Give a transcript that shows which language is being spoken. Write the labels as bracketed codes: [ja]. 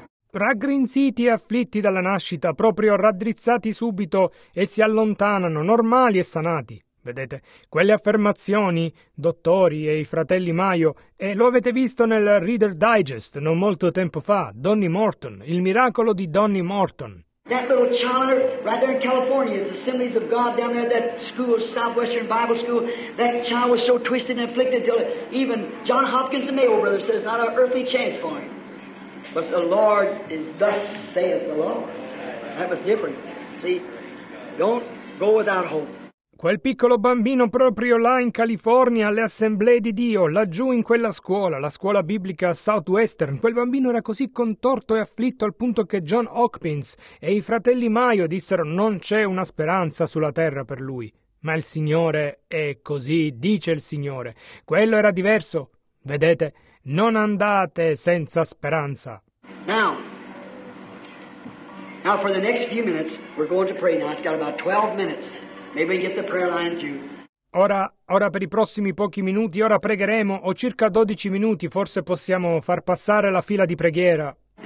[it] Raggrinziti e afflitti dalla nascita, proprio raddrizzati subito e si allontanano, normali e sanati. Vedete, quelle affermazioni, dottori e i fratelli Mayo, e lo avete visto nel Reader Digest non molto tempo fa, Donnie Morton, il miracolo di Donnie Morton. [en] That little child right there in California, the Assemblies of God down there, that school, Southwestern Bible School, that child was so twisted and afflicted till even John Hopkins, the Mayo brother, says not an earthly chance for him. But the Lord is thus saith the Lord. That was different. See, don't go without hope. [it] Quel piccolo bambino proprio là in California, alle Assemblee di Dio, laggiù in quella scuola, la scuola biblica Southwestern, quel bambino era così contorto e afflitto al punto che John Hopkins e i fratelli Mayo dissero non c'è una speranza sulla terra per lui. Ma il Signore è così, dice il Signore. Quello era diverso. Vedete, non andate senza speranza. [en] Now for the next few minutes, we're going to pray now. It's got about 12 minutes. Maybe get the prayer line through. [it] Ora per i prossimi pochi minuti, ora pregheremo, ho circa 12 minuti, forse possiamo far passare la fila di preghiera.